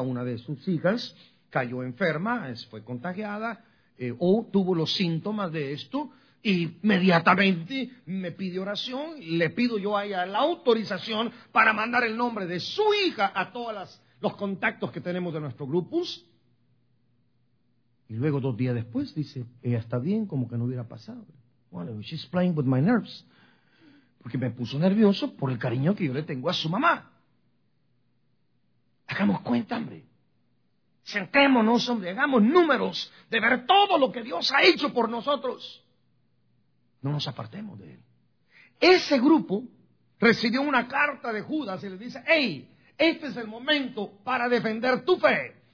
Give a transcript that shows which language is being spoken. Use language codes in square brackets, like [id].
[es] Una de sus hijas cayó enferma, fue contagiada, o tuvo los síntomas de esto, y inmediatamente me pide oración. Le pido yo a ella la autorización para mandar el nombre de su hija a todos los contactos que tenemos de nuestro grupus. Y luego, dos días después, dice, ella está bien, como que no hubiera pasado. [en] Well, she's playing with my nerves. [es] Porque me puso nervioso por el cariño que yo le tengo a su mamá. Hagamos cuenta, hombre. Sentémonos, hombre, hagamos números de ver todo lo que Dios ha hecho por nosotros. No nos apartemos de él. Ese grupo recibió una carta de Judas y le dice, hey, este es el momento para defender tu fe.